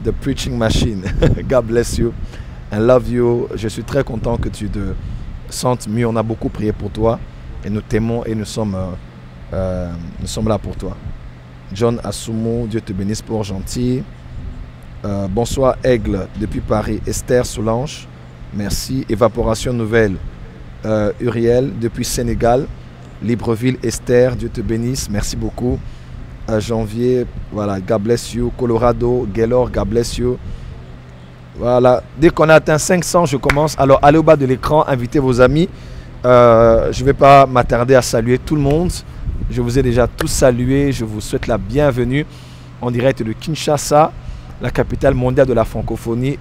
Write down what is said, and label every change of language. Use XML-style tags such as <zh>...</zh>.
<en>The Preaching Machine, God bless you. I love you.</en> <fr>Je suis très content que tu te sentes mieux. On a beaucoup prié pour toi. Et nous t'aimons et nous sommes là pour toi. John Assoumou, Dieu te bénisse, Port-Gentil. Bonsoir Aigle depuis Paris. Esther Soulange, merci. Évaporation Nouvelle, Uriel, depuis Sénégal, Libreville, Esther, Dieu te bénisse, merci beaucoup. Janvier, voilà,</fr> <en>God bless you.</en> <fr>Colorado, Gaylor,</fr> <en>God bless you.</en> <fr>Voilà, dès qu'on a atteint 500, je commence. Alors, allez au bas de l'écran, invitez vos amis. Je ne vais pas m'attarder à saluer tout le monde. Je vous ai déjà tous salués. Je vous souhaite la bienvenue en direct de Kinshasa, la capitale mondiale de la francophonie.</fr>